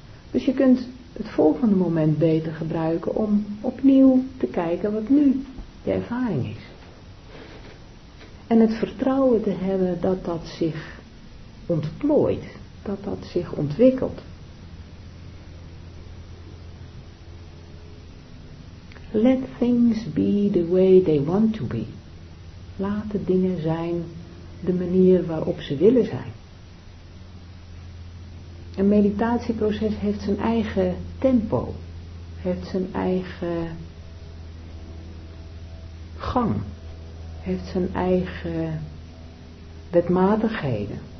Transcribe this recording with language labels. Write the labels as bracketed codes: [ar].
[nl] Dus je kunt het volgende moment beter gebruiken om opnieuw te kijken wat nu de ervaring is. En het vertrouwen te hebben dat dat zich ontplooit. Dat dat zich ontwikkelt. [en] Let things be the way they want to be. [nl] Laat de dingen zijn de manier waarop ze willen zijn. Een meditatieproces heeft zijn eigen tempo. Heeft zijn eigen gang. Heeft zijn eigen wetmatigheden.